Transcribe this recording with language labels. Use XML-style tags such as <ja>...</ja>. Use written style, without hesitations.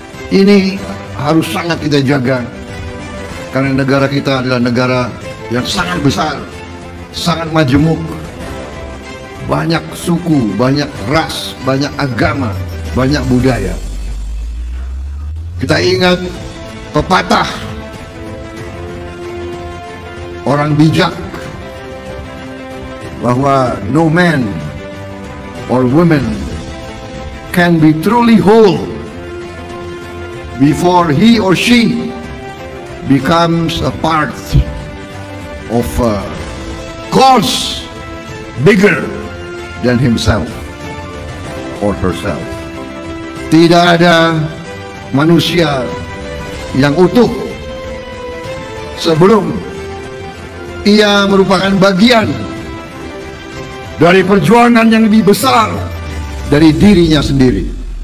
<id>Ini harus sangat kita jaga, karena negara kita adalah negara yang sangat besar, sangat majemuk, banyak suku, banyak ras, banyak agama, banyak budaya.</id> <en>Kita ingat pepatah orang bijak bahwa no man or woman can be truly whole before he or she becomes a part of a cause bigger than himself or herself.</en> <id>Tidak ada manusia yang utuh sebelum ia merupakan bagian dari perjuangan yang lebih besar dari dirinya sendiri.</id>